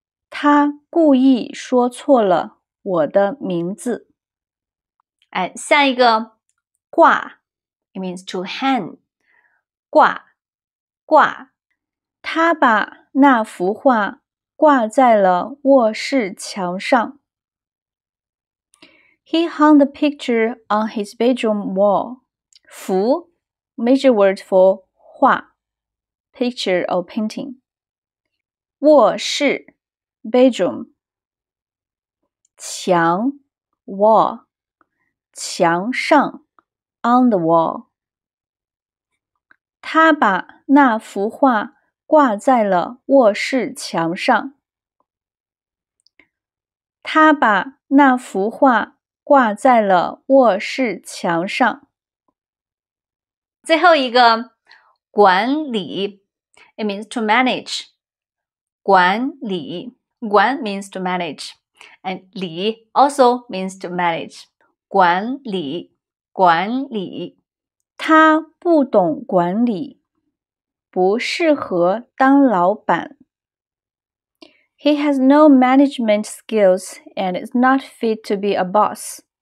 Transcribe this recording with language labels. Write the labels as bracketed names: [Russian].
[Chinese] 他故意说错了我的名字。哎，下一个挂 [English] ，it means to hang. [Chinese] 挂，挂。他把那幅画挂在了卧室墙上。 [English] He hung the picture on his bedroom wall. 幅 major word for 画 picture or painting. 卧室 bedroom. 墙 wall. 墙上 on the wall. [Chinese] 他把那幅画挂在了卧室墙上。他把那幅画挂在了卧室墙上。最后一个管理 [English] it means to manage. 管理管 means to manage. And 理 also means to manage. [Chinese] 管理管理他不懂管理不适合当老板。 [English] He has no management skills and is not fit to be a boss.